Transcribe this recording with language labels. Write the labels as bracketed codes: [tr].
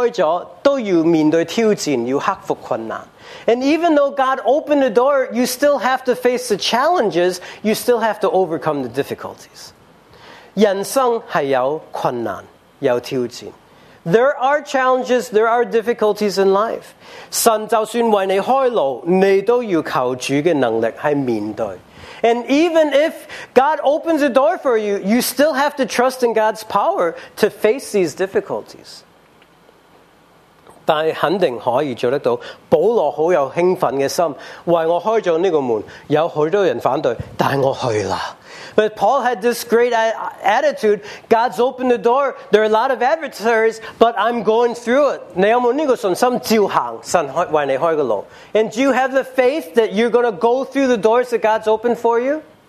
[zh] 有时就算门开了,都要面对挑战,要克服困难。 [en] And even though God opened the door, you still have to face the challenges, you still have to overcome the difficulties. [zh] 人生是有困难,有挑战。 [en] There are challenges, there are difficulties in life. [zh] 神就算为你开路, 你都要求主的能力去面对。 [en] And even if God opens a door for you, you still have to trust in God's power to face these difficulties. [zh] 但肯定可以做得到, 保罗很有兴奋的心, 为我开了这个门, 有很多人反对, 但我去了。 [en] But Paul had this great attitude, God's opened the door, there are a lot of adversaries, but I'm going through it. And do you have the faith that you're going to go through the doors that God's opened for you?